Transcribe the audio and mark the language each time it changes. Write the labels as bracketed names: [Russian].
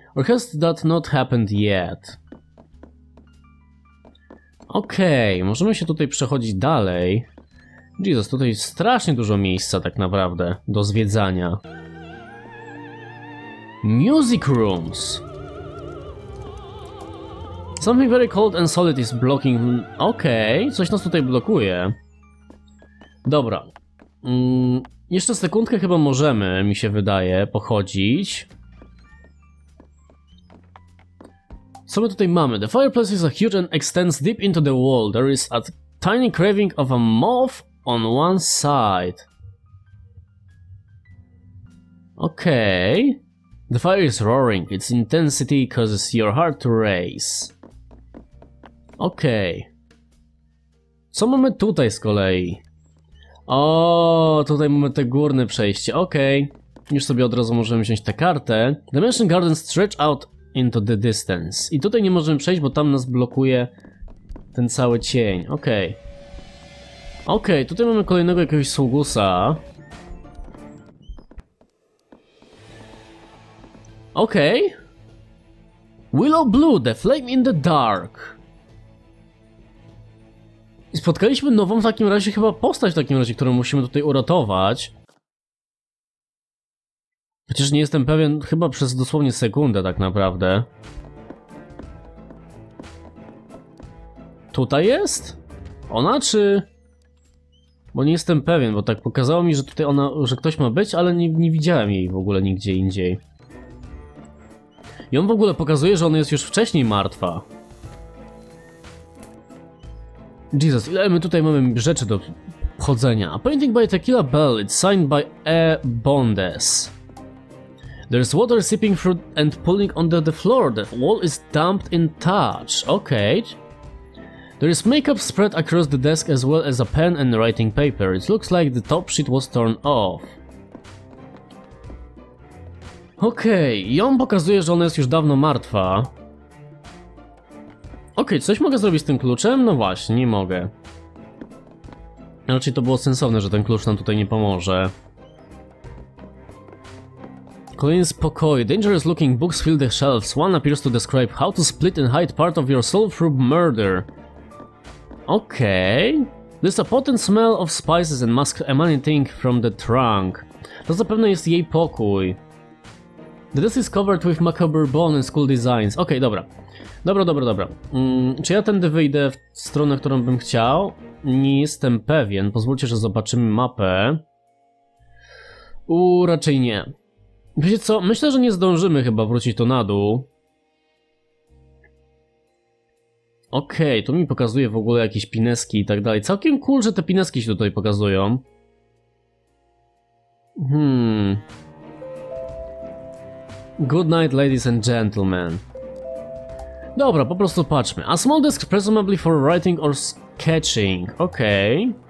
[English] Or has that not happened yet? [Polish] Okej, możemy się tutaj przechodzić dalej. Jezus, tutaj jest strasznie dużo miejsca tak naprawdę do zwiedzania. [English] Music rooms. Something very cold and solid is blocking... [Polish] Okej, coś nas tutaj blokuje. Dobra. Jeszcze sekundkę chyba możemy, mi się wydaje, pochodzić. Co my tutaj mamy? [English] The fireplace is a huge and extends deep into the wall. There is a tiny carving of a moth on one side. Okej. The fire is roaring. Its intensity causes your heart to race. [Polish] Okej. Co mamy tutaj z kolei? O, tutaj mamy te górne przejście. Okej. Już sobie od razu możemy wziąć tę kartę. [English] Dimension Garden stretch out into the distance. [Polish] I tutaj nie możemy przejść, bo tam nas blokuje ten cały cień. Okej. Okej, tutaj mamy kolejnego jakiegoś sługusa. [English] Okej. Willow Blue, The Flame in the Dark. [Polish] I spotkaliśmy nową w takim razie chyba postać w takim razie, którą musimy tutaj uratować. Chociaż nie jestem pewien, chyba przez dosłownie sekundę tak naprawdę. Tutaj jest? Ona czy... Bo nie jestem pewien, bo tak pokazało mi, że tutaj ona, że ktoś ma być, ale nie widziałem jej w ogóle nigdzie indziej. I on w ogóle pokazuje, że ona jest już wcześniej martwa. Jesus, ile my tutaj mamy rzeczy do chodzenia. [English] A painting by Tequila Bell, it's signed by E. Bondes. There's water seeping through and pooling under the floor. The wall is damp and touch. Okay. There is makeup spread across the desk as well as a pen and writing paper. It looks like the top sheet was torn off. [Polish] Okej, okay. I on pokazuje, że ona jest już dawno martwa. Okej, coś mogę zrobić z tym kluczem? No właśnie, nie mogę. Raczej to było sensowne, że ten klucz nam tutaj nie pomoże. Kolejny z pokoi. [English] Dangerous looking books fill the shelves. One appears to describe how to split and hide part of your soul through murder. Okej. There's a potent smell of spices and musk emanating from the trunk. [Polish] To zapewne jest jej pokój. [English] The desk is covered with macabre bone and skull designs. [Polish] Okej, dobra. Dobra, dobra, dobra. Czy ja tędy wyjdę w stronę, którą bym chciał? Nie jestem pewien. Pozwólcie, że zobaczymy mapę. Raczej nie. Wiecie co? Myślę, że nie zdążymy chyba wrócić to na dół. Okej, tu mi pokazuje w ogóle jakieś pineski i tak dalej. Całkiem cool, że te pineski się tutaj pokazują. [English] Good night, ladies and gentlemen. [Polish] Dobra, po prostu patrzmy. [English] A small desk presumably for writing or sketching. Okej.